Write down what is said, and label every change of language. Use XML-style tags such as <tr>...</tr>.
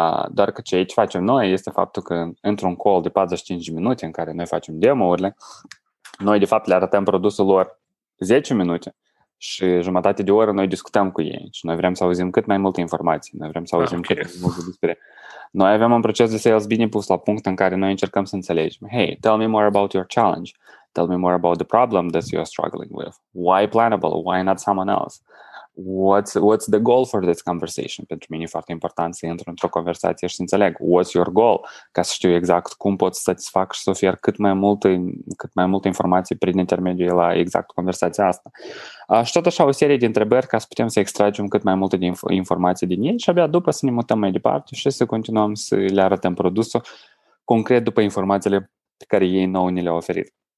<ro>Doar că ce facem noi este faptul că într-un call de 45 minute în care noi facem demo-urile, noi de fapt le arătăm produsul lor 10 minute și jumătate de oră noi discutăm cu ei și noi vrem să auzim cât mai multe informații, noi vrem să auzim cât mai multe despre... Noi avem un proces de sales bine pus la punct în care noi încercăm să înțelegem.</ro> <en>Hey, tell me more about your challenge. Tell me more about the problem that you are struggling with. Why Planable? Why not someone else? What's the goal for this conversation?</en> <ro>Pentru mine e foarte important să intru într-o conversație și să înțeleg.</ro> <en>What's your goal?</en> <ro>Ca să știu exact cum pot să satisfac și să ofer cât mai multe informații prin intermediul la exact conversația asta. Și tot așa o serie de întrebări ca să putem să extragem cât mai multe informații din ei și abia după să ne mutăm mai departe și să continuăm să le arătăm produsul concret după informațiile pe care ei nouă ni le-au oferit.</ro>